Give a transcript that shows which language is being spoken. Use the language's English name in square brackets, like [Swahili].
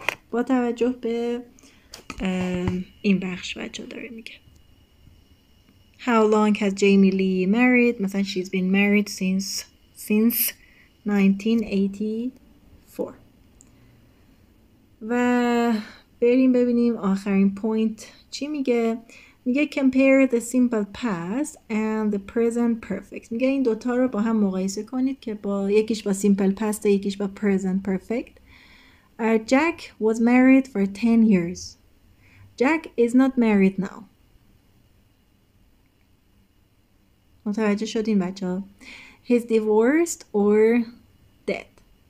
[Persian] با توجه به این بخش بچه داره میگه. [English] How long has Jamie Lee married? مثلا she's been married since 1980. [Persian] و بریم ببینیم آخرین پوینت چی میگه. [English] میگه compare the simple past and the present perfect. [Persian] میگه این دوتا رو با هم مقایسه کنید که با یکیش با simple past و یکیش با present perfect. [English] Jack was married for 10 years. Jack is not married now. [Persian] متوجه شدین بچه ها؟ [English] He's divorced or dead.